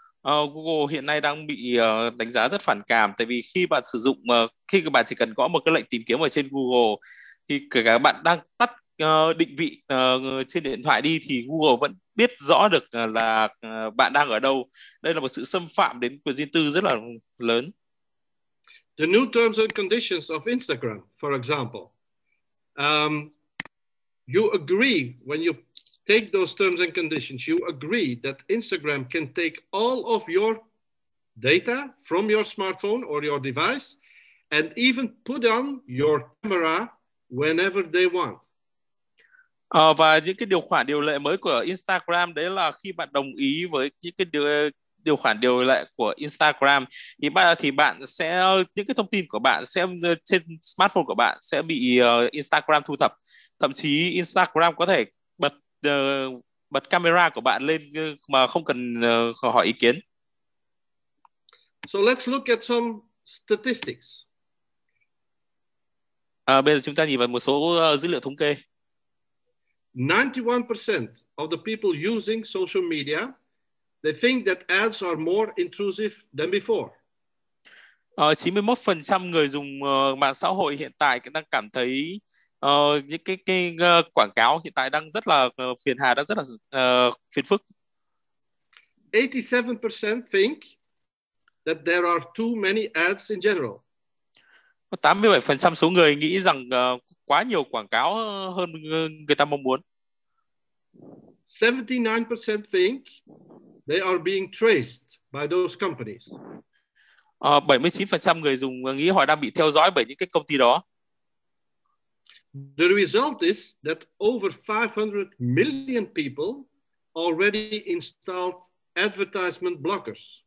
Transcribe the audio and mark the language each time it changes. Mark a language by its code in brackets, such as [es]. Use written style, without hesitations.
[vi] Google hiện nay đang bị đánh giá rất phản cảm, tại vì khi bạn sử dụng khi các bạn chỉ cần gõ một cái lệnh tìm kiếm ở trên Google, thì kể cả bạn đang tắt định vị trên điện thoại đi, thì Google vẫn biết rõ được là bạn đang ở đâu. Đây là một sự xâm phạm đến quyền riêng tư rất là lớn. [en] The new terms and conditions of Instagram, for example, you agree when you take those terms and conditions, you agree that Instagram can take all of your data from your smartphone or your device and even put on your camera whenever they want. [vi] Và những cái điều khoản điều lệ mới của Instagram đấy là khi bạn đồng ý với những cái điều khoản điều lệ của Instagram, thì bạn sẽ những cái thông tin của bạn sẽ trên smartphone của bạn sẽ bị Instagram thu thập. Thậm chí Instagram có thể bật bật camera của bạn lên mà không cần hỏi ý kiến. [en] So let's look at some statistics. [vi] Bây giờ chúng ta nhìn vào một số dữ liệu thống kê. [en] 91% of the people using social media, they think that ads are more intrusive than before. [vi] 91% người dùng mạng xã hội hiện tại đang cảm thấy những quảng cáo hiện tại đang rất là phiền hà, đang rất là phiền phức. [en] 87% think that there are too many ads in general. [vi] 87% số người nghĩ rằng quá nhiều quảng cáo hơn người ta mong muốn. [en] 79% think they are being traced by those companies. [vi] 79% người dùng nghĩ họ đang bị theo dõi bởi những cái công ty đó. [en] The result is that over 500 million people already installed advertisement blockers.